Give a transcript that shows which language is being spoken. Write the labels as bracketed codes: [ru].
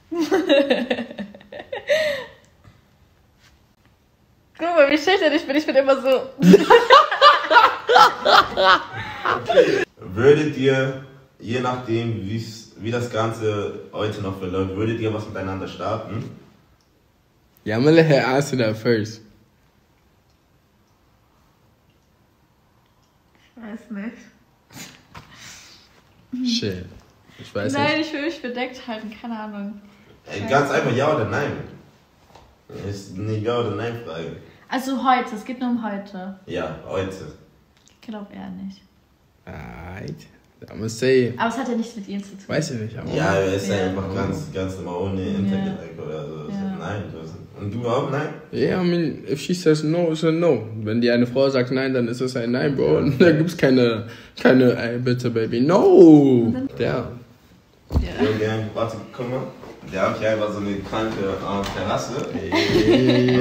[de] Guck mal, wie schüchtern ich bin. Ich bin immer so. Würdet ihr. Je nachdem, wie das Ganze heute noch verläuft, würdet ihr was miteinander starten? [en] Ja, I'm gonna let her answer that first. [de] Ich weiß nicht. [en] Shit. [de] Nein, ich will mich bedeckt halten, keine Ahnung. Ey, ganz einfach, ja oder nein? Ist eine Ja oder Nein-Frage. Also heute, es geht nur um heute. Ja, heute. Ich glaube eher nicht. [en] Right. I'm gonna say. [de] Aber es hat ja nichts mit ihm zu tun. Weiß ich nicht. Ja, er ist einfach ganz normal ohne Internet oder so. Yeah. Nein. Und du auch? Nein? [en] Yeah, I mean, if she says no, it's a no. [de] Wenn die eine Frau sagt nein, dann ist das ein Nein, Bro. Ja. Da gibt's keine ey, bitte, Baby, no! Ja. Ja. Warte, guck mal. Der hat hier einfach so eine kranke Terrasse.